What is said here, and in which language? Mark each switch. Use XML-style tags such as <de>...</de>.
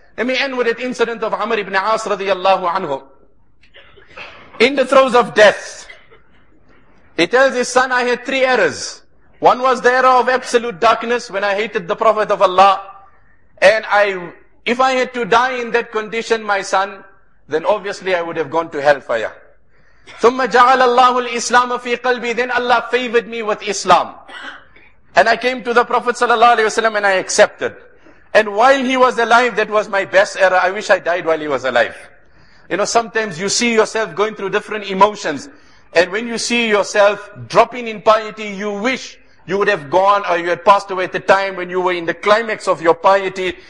<en>Let me end with an incident of Amr ibn As radiallahu anhu. In the throes of death, he tells his son, I had three errors. One was the error of absolute darkness when I hated the Prophet of Allah. And if I had to die in that condition, my son, then obviously I would have gone to hellfire.</en> <ar>ثم جعل الله الإسلام في قلبي.</ar> <en>Then Allah favored me with Islam. And I came to the Prophet sallallahu alaihi wasallam and I accepted. And while he was alive, that was my best error. I wish I died while he was alive. You know, sometimes you see yourself going through different emotions. And when you see yourself dropping in piety, you wish you would have gone or you had passed away at the time when you were in the climax of your piety.</en>